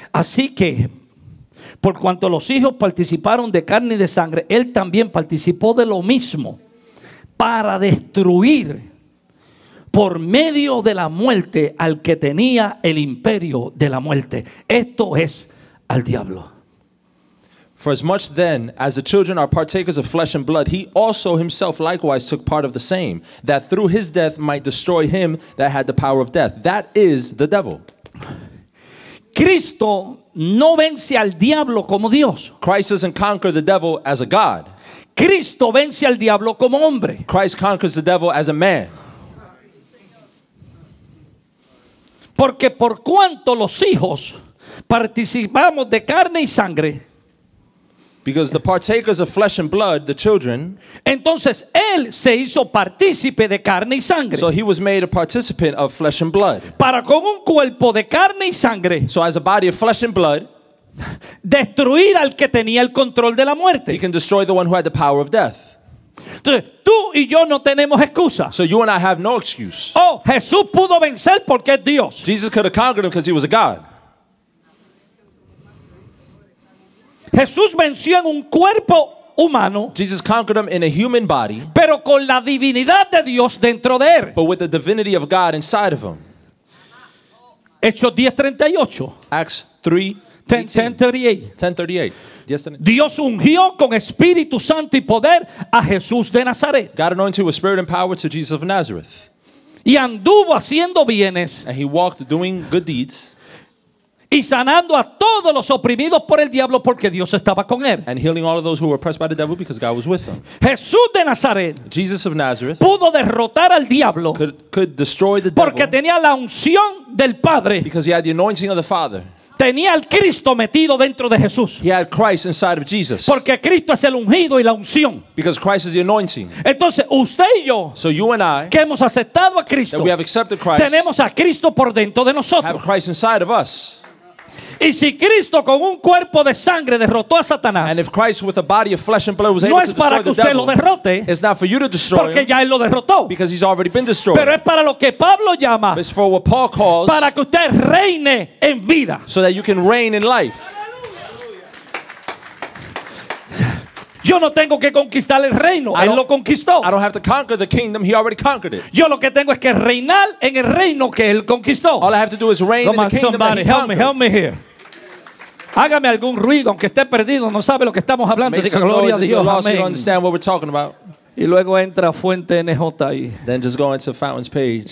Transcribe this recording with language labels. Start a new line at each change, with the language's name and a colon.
Spanish: Así que por cuanto los hijos participaron de carne y de sangre, él también participó de lo mismo para destruir por medio de la muerte al que tenía el imperio de la muerte. Esto es al diablo.
English: For as much then as the children are partakers of flesh and blood, he also himself likewise took part of the same, that through his death might destroy him that had the power of death. That is the devil.
Spanish: Cristo no vence al diablo como Dios.
English: Christ doesn't conquer the devil as a God.
Spanish: Cristo vence al diablo como hombre.
English: Christ conquers the devil as a man.
Spanish: Porque por cuanto los hijos participamos de carne y sangre,
English: because the partakers of flesh and blood, the children,
Spanish: entonces él se hizo partícipe de carne y sangre.
English: So he was made a participant of flesh and blood.
Spanish: Para con un cuerpo de carne y sangre,
English: so as a body of flesh and blood,
Spanish: destruir al que tenía el control de la muerte.
English: He can destroy the one who had the power of death.
Spanish: Entonces, tú y yo no tenemos excusa.
English: So you and I have no excuse.
Spanish: Oh, Jesús pudo vencer porque es Dios.
English: Jesus could have conquered him because he was a God.
Spanish: Jesús venció en un cuerpo humano.
English: Jesus conquered him in a human body.
Spanish: Pero con la divinidad de Dios dentro de él.
English: But with the divinity of God inside of him.
Spanish: Hechos 10:38.
English: Acts 10:38.
Spanish: Dios ungió con Espíritu Santo y poder a Jesús de Nazaret.
English: God anointed with Spirit and power to Jesus of Nazareth.
Spanish: Y anduvo haciendo bienes.
English: And he walked doing good deeds.
Spanish: Y sanando a todos los oprimidos por el diablo porque Dios estaba con él.
English: And healing all of those who were oppressed by the devil because God was with them.
Spanish: Jesús de Nazaret.
English: Jesus of Nazareth.
Spanish: Pudo derrotar al diablo.
English: Could destroy the devil.
Spanish: Porque tenía la unción del Padre.
English: Because he had the anointing of the Father.
Spanish: Tenía al Cristo metido dentro de Jesús.
English: He had Christ inside of Jesus.
Spanish: Porque Cristo es el ungido y la unción.
English: Because Christ is the anointing.
Spanish: Entonces usted y yo,
English: so you and I,
Spanish: que hemos aceptado a Cristo,
English: that we have accepted Christ,
Spanish: tenemos a Cristo por dentro de nosotros.
English: Have Christ inside of us.
Spanish: Y si Cristo con un cuerpo de sangre derrotó a Satanás,
English: and if Christ with a body of flesh and blood was
Spanish: no
English: able to destroy
Spanish: que usted
English: the devil,
Spanish: lo derrote,
English: it's not for you to destroy
Spanish: porque
English: him,
Spanish: ya él lo derrotó.
English: Because he's already been destroyed.
Spanish: Pero es para lo que Pablo llama,
English: it's for what Paul calls,
Spanish: para que usted reine en vida.
English: So that you can reign in life.
Spanish: Yo no tengo que conquistar el reino, él lo conquistó.
English: I don't have to conquer the kingdom, he already conquered it.
Spanish: Yo lo que tengo es que reinar en el reino que él conquistó.
English: All I have to do is reign come in the kingdom somebody, help conquered. Me, help me here.
Spanish: Hágame algún ruido, aunque esté perdido, no sabe lo que estamos hablando. Diga gloria a Dios, amén.
English: You understand what we're talking about.
Spanish: Y luego entra Fuente NJ ahí.
English: Then just go into Fountain's page.